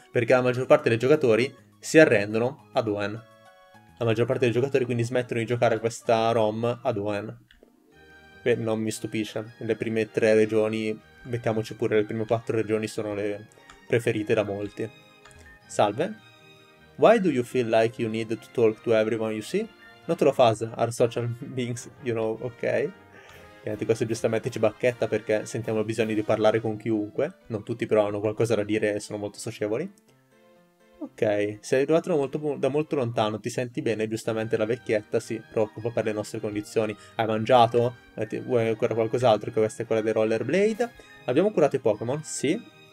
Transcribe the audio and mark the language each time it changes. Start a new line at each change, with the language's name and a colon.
Italian: Perché la maggior parte dei giocatori si arrendono ad Hoenn. La maggior parte dei giocatori quindi smettono di giocare questa ROM ad Hoenn. Non mi stupisce. Le prime tre regioni, mettiamoci pure le prime quattro regioni, sono le preferite da molti. Salve.
English: Why do you feel like you need to talk to everyone you see? Not all of us are social beings, you know, ok?
Italian: E questo giustamente ci bacchetta perché sentiamo il bisogno di parlare con chiunque. Non tutti però hanno qualcosa da dire e sono molto socievoli. Ok, sei arrivato da molto lontano, ti senti bene? Giustamente la vecchietta si preoccupa per le nostre condizioni. Hai mangiato? Vuoi ancora qualcos'altro? Questa è quella dei Rollerblade. Abbiamo curato i Pokémon? Sì.